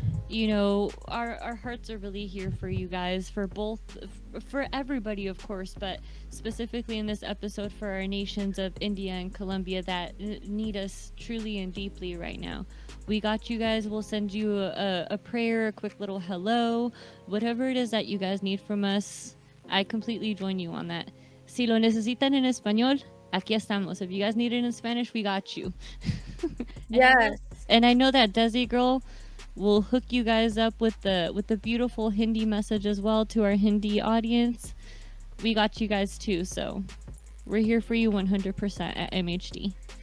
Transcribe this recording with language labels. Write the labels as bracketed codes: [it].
[en] You know, our hearts are really here for you guys, for both, for everybody, of course, but specifically in this episode for our nations of India and Colombia that need us truly and deeply right now. We got you guys. We'll send you a prayer, a quick little hello, whatever it is that you guys need from us. I completely join you on that. [es] Si lo necesitan en español, aquí estamos. [en] If you guys need it in Spanish, we got you. And I know that Desi girl will hook you guys up with the beautiful Hindi message as well to our Hindi audience. We got you guys too. So we're here for you 100% at MHD.